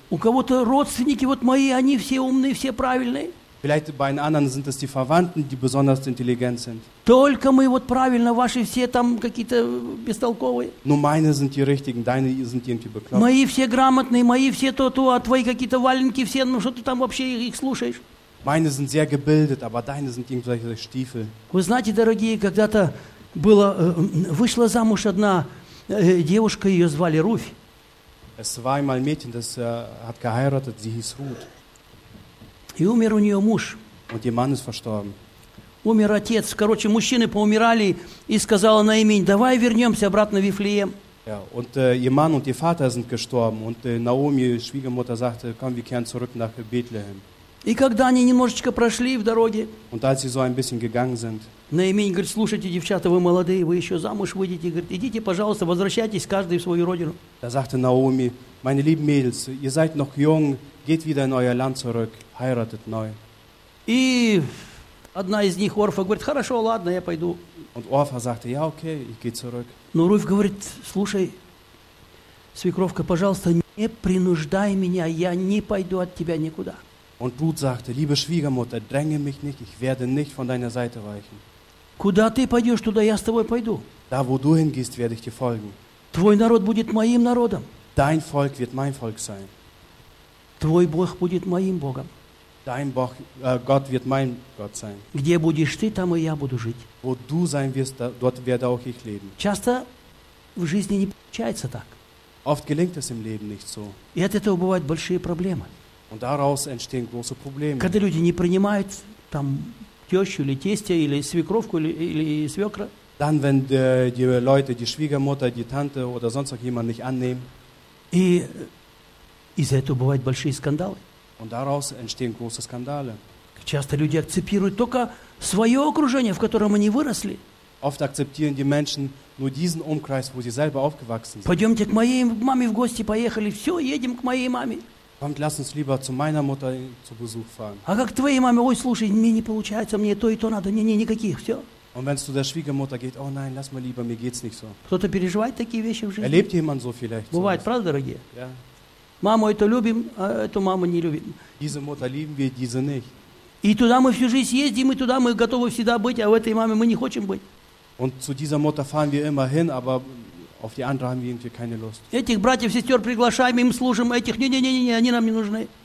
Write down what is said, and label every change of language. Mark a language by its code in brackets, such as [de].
[ru] У кого-то родственники вот мои, они все умные, все правильные. [de] Vielleicht bei den anderen sind es die Verwandten, die besonders intelligent sind. [ru] Только мы вот правильно, ваши все там какие-то бестолковые. [de] Nur meine sind die richtigen, deine sind irgendwie bekloppt. [ru] Мои все грамотные, мои все то-то, а твои какие-то валенки все, ну что ты там вообще их слушаешь? [de] Meine sind sehr gebildet, aber deine sind irgendwelche Stiefel. [ru] Вы знаете, дорогие, когда-то было, вышла замуж одна девушка, ее звали Руфь. [de] Es war einmal Mädchen, das hat geheiratet, sie hieß Ruth. [ru] И умер у нее муж. [de] Und ihr Mann ist verstorben. [ru] Умер отец. Короче, мужчины поумирали и сказала Наоми, давай вернемся обратно в Вифлеем. [de] Ja, und ihr Mann und ihr Vater sind gestorben. Und Naomi, Schwiegermutter, sagte, komm, wir kehren zurück nach Bethlehem. [ru] И когда они немножечко прошли в дороге, [de] und als sie so ein bisschen gegangen sind, [ru] Наоми говорит, слушайте, девчата, вы молодые, вы еще замуж выйдете. Говорит, идите, пожалуйста, возвращайтесь каждый в свою родину. [de] Da sagte Naomi, meine lieben Mädels, ihr seid noch jung, geht wieder in euer Land zurück, heiratet neu. [ru] И одна из них, Орфа, говорит, хорошо, ладно, я пойду. [de] Und Orfa sagte, ja, okay, ich gehe zurück. [ru] Но Руф говорит, слушай, свекровка, пожалуйста, не принуждай меня, я не пойду от тебя никуда. [de] Und Ruth sagte, liebe Schwiegermutter, dränge mich nicht, ich werde nicht von deiner Seite weichen. [ru] Куда ты пойдешь, туда я с тобой пойду. [de] Da, wo du hingehst, werde ich dir folgen. [ru] Твой народ будет моим народом. [de] Dein Volk wird mein Volk sein. [ru] Твой Бог будет моим Богом. [de] Dein Bog, Gott wird mein Gott sein. [ru] Где будешь ты, там и я буду жить. [de] Wo du sein wirst, da, dort werde auch ich leben. [ru] Часто в жизни не получается так. [de] Oft gelingt es im Leben nicht so. [ru] И от этого бывают большие проблемы. [de] Und daraus entstehen große Probleme. [ru] Когда люди не принимают там тещу или тестя или свекровку или свекра. [de] Dann wenn die Leute die Schwiegermutter, die Tante oder sonst noch jemand nicht annehmen. [ru] И из-за этого бывают большие скандалы. [de] Und daraus entstehen große Skandale. [ru] Часто люди акцептируют только свое окружение, в котором они выросли. [de] Oft akzeptieren die Menschen nur diesen Umkreis, wo sie selber aufgewachsen sind. [ru] Пойдемте к моей маме в гости, поехали, все, едем к моей маме. [de] Kommt, lass uns lieber zu meiner Mutter zu Besuch fahren. [ru] А как твоей маме? Ой, слушай, мне не получается, мне то и то надо, не никаких, все. [de] Und wenn es zu der Schwiegermutter geht, oh nein, lass mal lieber, mir geht's nicht so. [ru] Кто-то переживает такие вещи в жизни? [de] Erlebt jemand so vielleicht? [ru] Бывает, правда, дорогие? [de] Ja. [ru] Маму это любим, а эту маму не любим. [de] Diese Mutter lieben wir, diese nicht. [ru] И туда мы всю жизнь ездим, и туда мы готовы всегда быть, а в этой маме мы не хотим быть. [de] Und zu dieser Mutter fahren wir immer hin, aber auf die andere haben wir irgendwie keine Lust. [ru] Этих братьев, сестер приглашаем, им служим, этих, не, они нам не нужны.